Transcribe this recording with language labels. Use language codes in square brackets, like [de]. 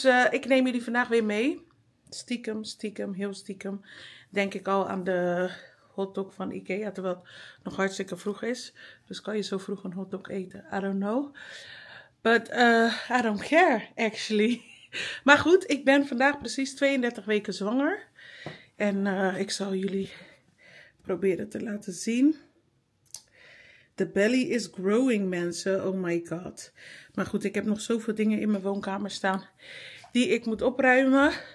[nl] Ik neem jullie vandaag weer mee. Stiekem, stiekem, heel stiekem. Denk ik al aan de hotdog van IKEA. Terwijl het nog hartstikke vroeg is. Dus kan je zo vroeg een hotdog eten? [en] I don't know. But I don't care, actually. [nl] Maar goed, ik ben vandaag precies 32 weken zwanger. En ik zal jullie proberen te laten zien. [en] The belly is growing, mensen. Oh my god. [nl] Maar goed, ik heb nog zoveel dingen in mijn woonkamer staan die ik moet opruimen.